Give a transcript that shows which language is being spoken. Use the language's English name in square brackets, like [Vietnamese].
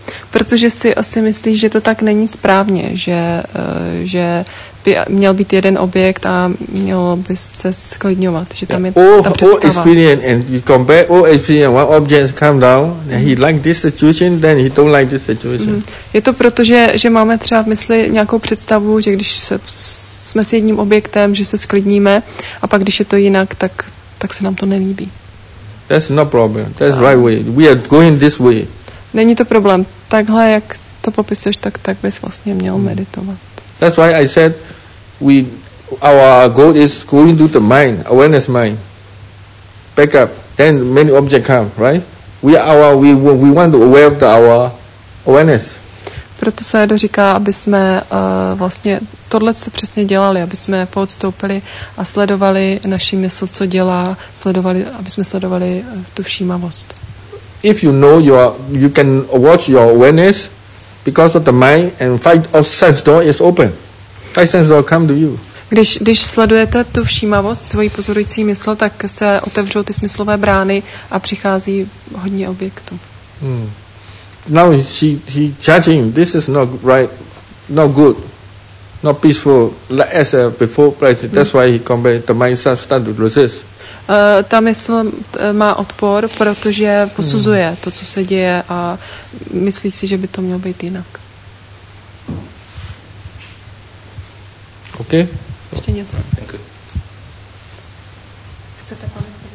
[Czech] Protože si asi myslí, že to tak není správně, že by měl být jeden objekt a mělo by se sklidňovat, že tam je ta představa. [English] All experience and you compare all experience, one object come down, and he like this situation, then he don't like this situation. Mm. [Czech] Je to proto, že máme třeba v mysli nějakou představu, že když jsme s jedním objektem, že se sklidníme a pak když je to jinak, tak se nám to nelíbí. [English] That's no problem. That's right way. We are going this way. [Czech] Není to problém. Takhle, jak to popisuješ, tak bys vlastně měl meditovat. [English] That's why I said our goal is going to the mind, awareness mind. Back up. Then many objects come, right? We want to aware of our awareness. [Czech] Proto se to říká, aby jsme vlastně tohle co přesně dělali, aby jsme poodstoupili a sledovali naši mysl, co dělá, aby jsme sledovali tu všímavost. [English] If you know you can watch your awareness because of the mind and five sense door is open. Five sense door come to you. [Czech] Když sledujete tu všímavost, svoji pozorující mysl, tak se otevřou ty smyslové brány a přichází hodně objektů. [English] Now she judging this is not right, not good, not peaceful like as before present. That's why he compare the mind start to resist. [Czech] Ta mysl má odpor, protože posuzuje to, co se děje a myslí si, že by to mělo být jinak. [English] OK. [Czech] Ještě něco? Děkuji. Chcete, pane?